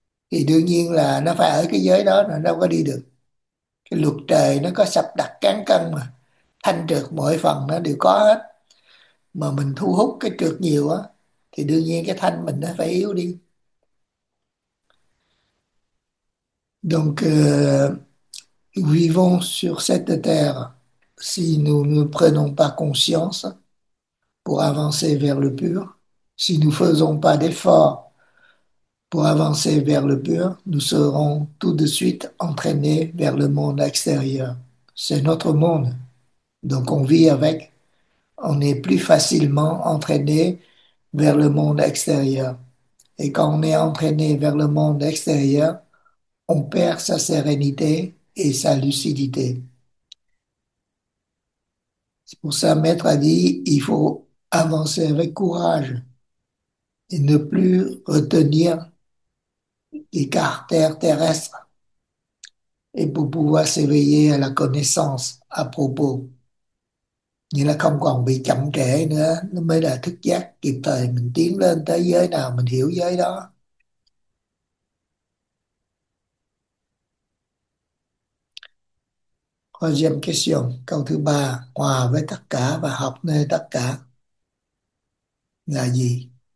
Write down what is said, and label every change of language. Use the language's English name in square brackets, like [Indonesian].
[Vietnamese] Thì đương nhiên là nó phải ở cái giới đó, nó đâu có đi được. Cái luật trời nó có sắp đặt cán cân mà, thanh trượt mỗi phần nó đều có hết. Mà mình thu hút cái trượt nhiều á, thì đương nhiên cái thanh mình nó phải yếu đi. [French] Donc, vivons sur cette terre si nous ne prenons pas conscience pour avancer vers le pur. Si nous ne faisons pas d'efforts pour avancer vers le pur, nous serons tout de suite entraînés vers le monde extérieur. C'est notre monde, donc on vit avec. On est plus facilement entraîné vers le monde extérieur. Et quand on est entraîné vers le monde extérieur, on perd sa sérénité et sa lucidité. C'est pour ça, Maître a dit, il faut avancer avec courage et ne plus retenir les caractères terrestres, et pour pouvoir s'éveiller à la connaissance à propos. [Vietnamese] Nghĩa là không còn bị chậm trễ nữa, nó mới là thức giác kịp thời, mình tiến lên tới giới nào mình hiểu giới đó. [French] Troisième question, [Vietnamese] câu thứ ba, hòa với tất cả và học nơi tất cả là gì?